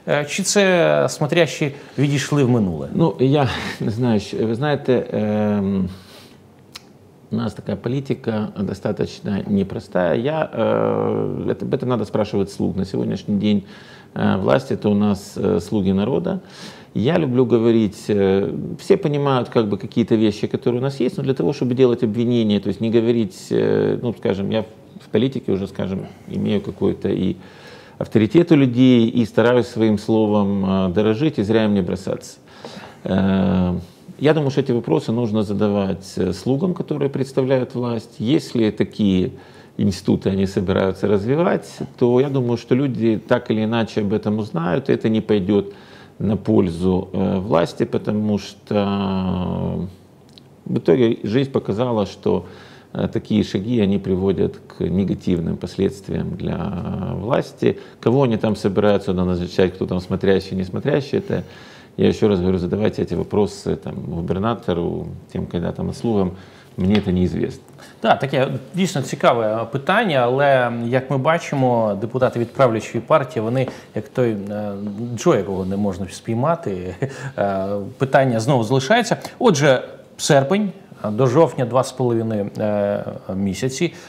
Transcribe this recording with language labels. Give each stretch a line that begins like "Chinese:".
Ukrainian: Чи це смотрящі відійшли в минуле? Ну я не знаю, що ви знаєте, у нас така політика достатньо непроста. Я тебе треба спрашувати слуг. На сьогоднішній день власті то у нас слуги народу.
Russian: Я люблю говорить, все понимают как бы какие-то вещи, которые у нас есть, но для того, чтобы делать обвинения, то есть не говорить, ну, скажем, я в политике уже, скажем, имею какой-то и авторитет у людей, и стараюсь своим словом дорожить, и зря им не бросаться. Я думаю, что эти вопросы нужно задавать слугам, которые представляют власть. Если такие институты они собираются развивать, то я думаю, что люди так или иначе об этом узнают, и это не пойдет на пользу власти, потому что в итоге жизнь показала, что такие шаги, они приводят к негативным последствиям для власти. Кого они там собираются назначать, кто там смотрящий, не смотрящий, это, я еще раз говорю, задавайте эти вопросы там губернатору, тим кандидатам и слугам,
Ukrainian: мені це неізвісно. Так, таке дійсно цікаве питання, але, як ми бачимо, депутати від правлячої партії, вони, як той Джо, якого не можна спіймати, питання знову залишається. Отже, серпень, до жовтня 2,5 місяці.